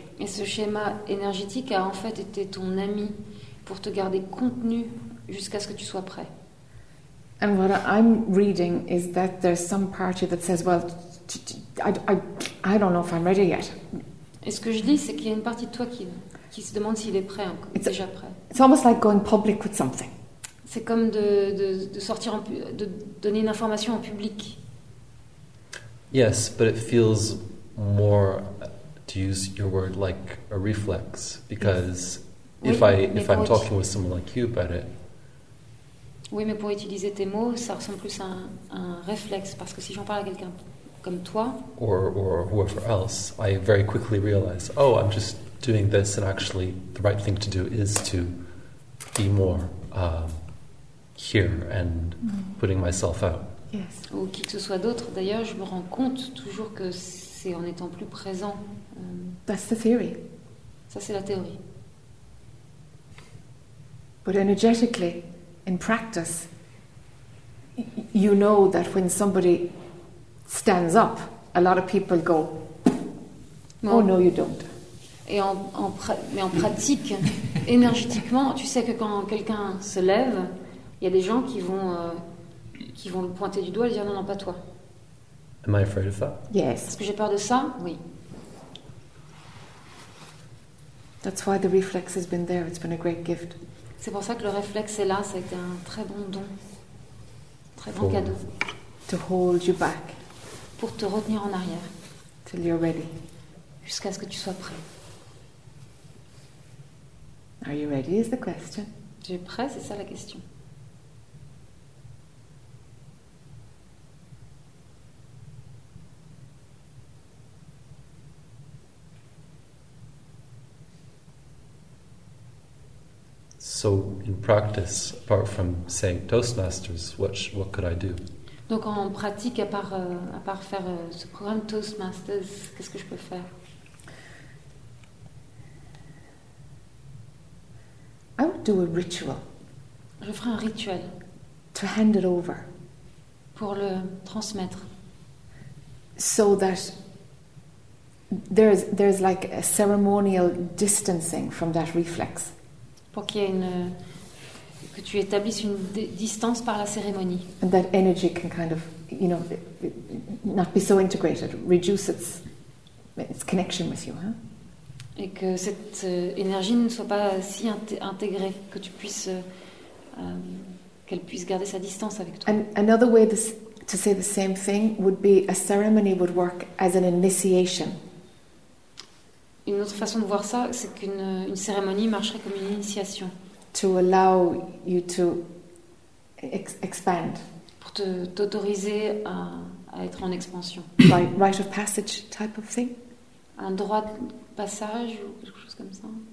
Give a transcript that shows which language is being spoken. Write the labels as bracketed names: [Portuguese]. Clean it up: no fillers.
[French] Et ce schéma énergétique a en fait été ton ami pour te garder contenu jusqu'à ce que tu sois prêt. [English] And what I'm reading is that there's some part of you that says, well, I don't know if I'm ready yet. [French] Et ce que je lis, c'est qu'il y a une partie de toi qui se demande s'il est prêt, déjà prêt. [English] It's almost like going public with something. [French] C'est comme de sortir de donner une information en public. [English] Yes, but it feels more, to use your word, like a reflex, because if I'm talking with someone like you about it. [French] Oui, mais pour utiliser tes mots, ça ressemble plus à un réflexe, parce que si j'en parle à quelqu'un comme toi, [English] or whoever else, I very quickly realize, oh, I'm just doing this, and actually the right thing to do is to be more here and putting myself out. [French] Yes. Ou qui que ce soit d'autre, d'ailleurs, je me rends compte toujours que c'est en étant plus présent. [English] That's the theory. [French] Ça, c'est la théorie. [English] But energetically, in practice, you know that when somebody stands up, a lot of people go, oh no, you don't. [French] Et en pratique, énergétiquement, tu sais que quand quelqu'un se lève, il y a des gens qui vont le pointer du doigt et dire non, pas toi. [English] Am I afraid of that? Yes. [French] Est-ce que j'ai peur de ça? Oui. [English] That's why the reflex has been there. It's been a great gift. [French] C'est pour ça que le réflexe est là, ça a été un très bon don, très bon cadeau. [English] To hold you back. [French] Pour te retenir en arrière. [English] Till you're ready. [French] Jusqu'à ce que tu sois prêt. [English] Are you ready is the question. [French] Tu es prêt, c'est ça la question. [English] So in practice, apart from saying Toastmasters, what could I do? [French] Donc en pratique, à part faire ce programme Toastmasters, qu'est-ce que je peux faire? [English] I would do a ritual. [French] Je ferai un rituel. [English] To hand it over. [French] Pour le transmettre. [English] So that there's like a ceremonial distancing from that reflex. [French] Pour qu'il y ait que tu établisses une distance par la cérémonie. [English] And that energy can kind of, you know, not be so integrated, reduce its connection with you. Hein? [French] Et que cette énergie ne soit pas si intégrée, que tu puisses, qu'elle puisse garder sa distance avec toi. [English] And another way to say the same thing would be a ceremony would work as an initiation. [French] Une autre façon de voir ça, c'est qu'une cérémonie marcherait comme une initiation. [English] To allow you to expand. [French] Pour t'autoriser à être en expansion. [English] By rite of passage type of thing. [French] Un droit de passage ou quelque chose comme ça.